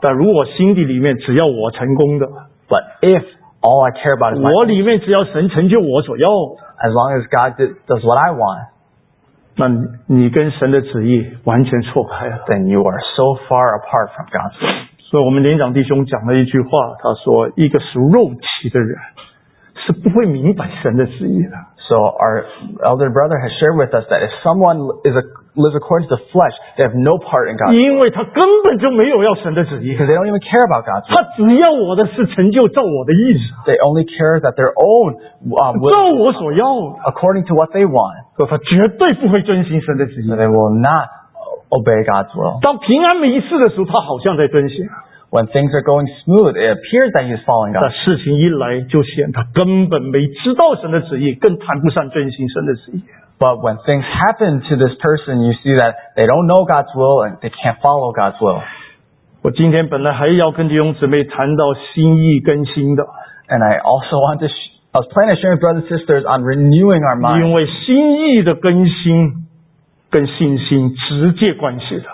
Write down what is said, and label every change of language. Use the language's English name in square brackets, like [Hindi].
[Chinese] 但如果心底里面只要我成功的。 [English] But if all I care about is my. [Chinese] 我里面只要神成就我所要。 [English] As long as God does what I want. [Chinese] 那你跟神的旨意完全错开了。 [English] Then you are so far apart from God's will. [Chinese] 所以我们连长弟兄讲了一句话，他说一个属肉体的人是不会明白神的旨意的。 [English] So our elder brother has shared with us that if someone lives according to the flesh, they have no part in God's will. [Chinese] 因为他根本就没有要神的旨意。 [English] Because they don't even care about God's will. [Chinese] 他只要我的是成就照我的意思。 [English] They only care that their own will. [Chinese] 照我所要的。 [English] According to what they want. [Chinese] 所以他绝对不会遵行神的旨意。 [English] They will not obey God's will. [Chinese] 当平安没事的时候，他好像在遵行。 [English] When things are going smooth, it appears that he's following God. [Chinese] 但事情一来就显他根本没知道神的旨意，更谈不上遵行神的旨意。 [English] But when things happen to this person, you see that they don't know God's will and they can't follow God's will. [Chinese] 我今天本来还要跟弟兄姊妹谈到心意更新的。 [English] And I also want to, I was planning to share with brothers and sisters on renewing our minds. [Chinese] 因为心意的更新跟信心直接关系的。